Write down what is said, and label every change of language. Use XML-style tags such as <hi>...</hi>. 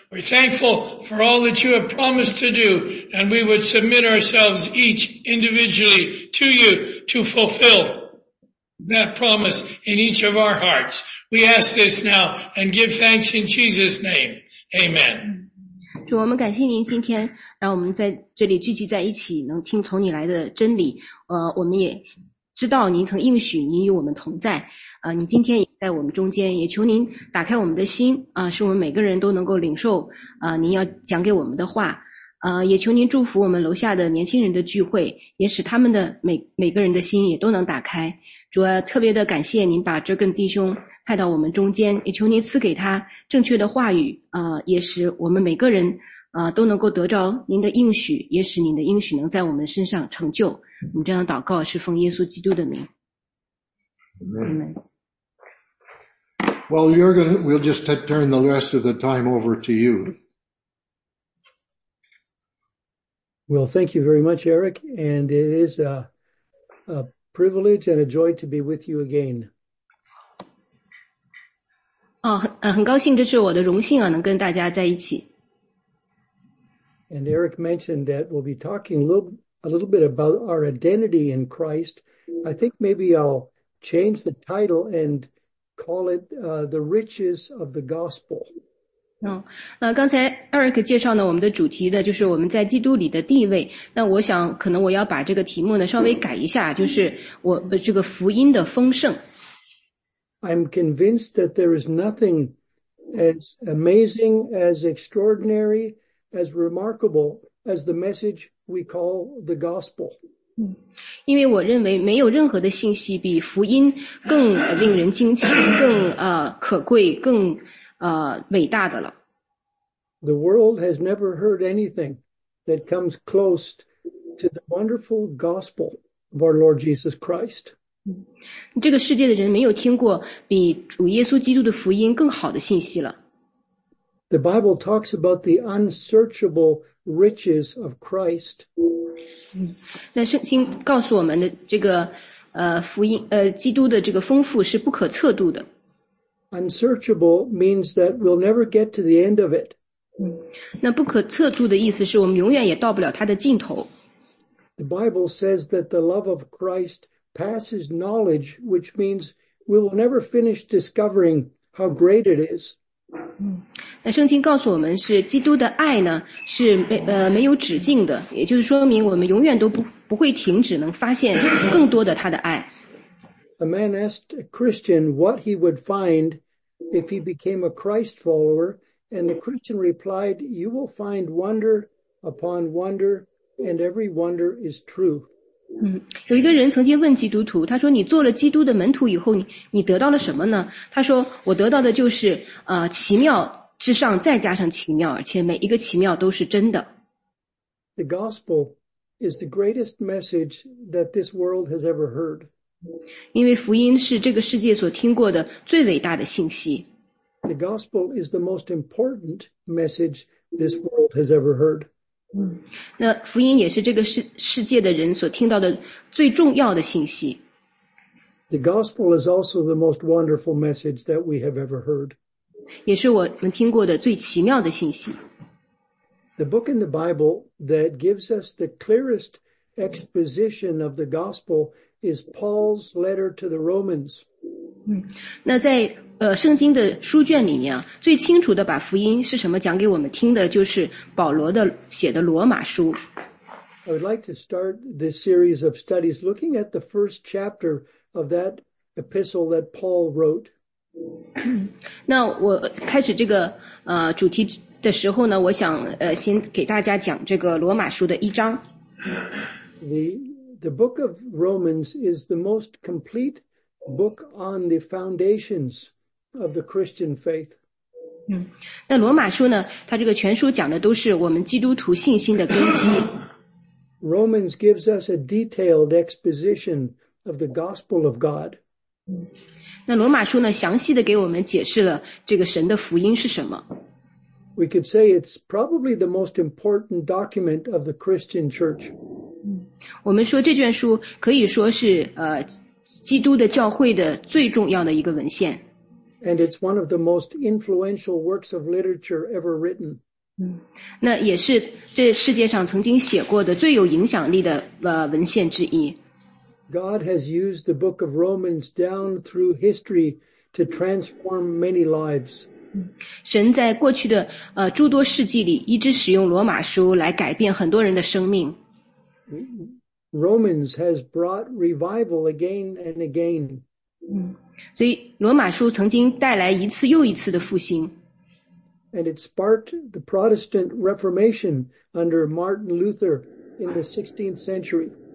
<en>We're thankful for all that you have promised to do, and we would submit ourselves each individually to you to fulfill that promise in each of our hearts. We ask this now and give thanks in Jesus' name. Amen.</en> <zh>主，我们感谢您今天让我们在这里聚集在一起，能听从你来的真理。我们也知道您曾应许您与我们同在。你今天也在我们中间，也求您打开我们的心，使我们每个人都能够领受您要讲给我们的话。也求您祝福我们楼下的年轻人的聚会，也使他们的每个人的心也都能打开。主，特别的感谢您把这根弟兄派到我们中间，也求您赐给他正确的话语，也使我们每个人都能够得着您的应许，也使您的应许能在我们身上成就。我们这样祷告是奉耶稣基督的名。</zh> <en>Amen. Well, Jürgen, we'll just turn the rest of the time over to you. Well, thank you very much, Eric, and it is a privilege and a joy to be with you again.</en> <zh>很高兴，这是我的荣幸啊，能跟大家在一起。</zh> <en>And Eric mentioned that we'll be talking a little bit about our identity in Christ. I think maybe I'll change the title and call it the riches of the gospel.</en> <zh>刚才 Eric 介绍呢，我们的主题呢，就是我们在基督里的地位。那我想，可能我要把这个题目呢稍微改一下，就是我这个福音的丰盛。</zh> <en>I'm convinced that there is nothing as amazing, as extraordinary, as remarkable as the message we call the gospel.</en> <zh>因为我认为没有任何的信息比福音更令人惊奇，更可贵，更伟大的了。</zh> <en>The world has never heard anything that comes close to the wonderful gospel of our Lord Jesus Christ.</en> <zh>这个世界的人没有听过比主耶稣基督的福音更好的信息了。</zh> <en>The Bible talks about the unsearchable riches of Christ.</en> <zh>那圣经告诉我们的这个福音基督的这个丰富是不可测度的。</zh> <en>Unsearchable means that we'll never get to the end of it.</en> <zh>那不可测度的意思是我们永远也到不了它的尽头。</zh> <en>The Bible says that the love of Christ passes knowledge, which means we will never finish discovering how great it is.</en> <zh>那圣经告诉我们是基督的爱呢是没有止境的，也就是说明我们永远都不会停止能发现更多的他的爱。</zh> <en>A man asked a Christian what he would find if he became a Christ follower, and the Christian replied, "You will find wonder upon wonder, and every wonder is true."</en> <zh>有一个人曾经问基督徒，他说你做了基督的门徒以后，你得到了什么呢？他说我得到的就是奇妙之上再加上奇妙，而且每一个奇妙都是真的。</zh> <en>The gospel is the greatest message that this world has ever heard.</en> <zh>因为福音是这个世界所听过的最伟大的信息。</zh> <en>The gospel is the most important message this world has ever heard.</en> <zh>那福音也是这个世界的人所听到的最重要的信息。</zh> <en>The gospel is also the most wonderful message that we have ever heard.</en> <zh>也是我们听过的最奇妙的信息。</zh> <en>The book in the Bible that gives us the clearest exposition of the gospel is Paul's letter to the Romans.</en> <zh>那在圣经的书卷里面，最清楚的把福音是什么讲给我们听的，就是保罗的写的罗马书。</zh> <en>I would like to start this series of studies looking at the first chapter of that epistle that Paul wrote.</en> <zh>那我开始这个主题的时候呢，我想先给大家讲这个罗马书的一章。</zh> <en>The book of Romans is the most complete book on the foundations of the Christian faith.</en> <zh>那罗马书呢，它这个全书讲的都是我们基督徒信心的根基。</zh> <en>Romans gives us a detailed exposition of the gospel of God.</en> <zh>那罗马书呢，详细的给我们解释了这个神的福音是什么。</zh> <en>We could say it's probably the most important document of the Christian church.</en> <zh>我们说这卷书可以说是基督的教会的最重要的一个文献。</zh> <en>And it's one of the most influential works of literature ever written.</en> <zh>那也是这世界上曾经写过的最有影响力的文献之一。</zh> <en>God has used the book of Romans down through history to transform many lives.</en> <zh>神在过去的诸多世纪里一直使用罗马书来改变很多人的生命。</zh> <en>Romans has brought revival again and again.</en> <zh>所以罗马书曾经带来一次又一次的复兴。</zh> <en>And it sparked the Protestant Reformation under Martin Luther in the 16th century.</en>